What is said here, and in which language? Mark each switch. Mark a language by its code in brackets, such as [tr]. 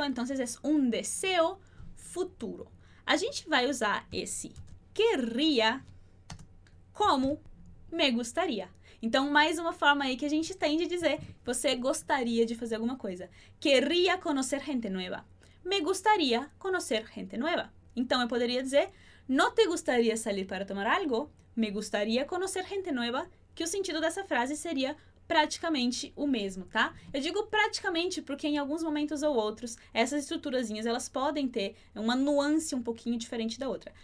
[pt] Então, é um deseo futuro. A gente vai usar esse queria como me gustaría. Então, mais uma forma aí que a gente tem de dizer você gostaria de fazer alguma coisa. [es] Queria conocer gente nueva. me gustaría conocer gente nueva. [pt] Então, eu poderia dizer, [es] no te gustaría salir para tomar algo? Me gustaría conocer gente nueva, [pt] que o sentido dessa frase seria praticamente o mesmo, tá? Eu digo praticamente porque em alguns momentos ou outros, essas estruturazinhas, elas podem ter uma nuance um pouquinho diferente da outra.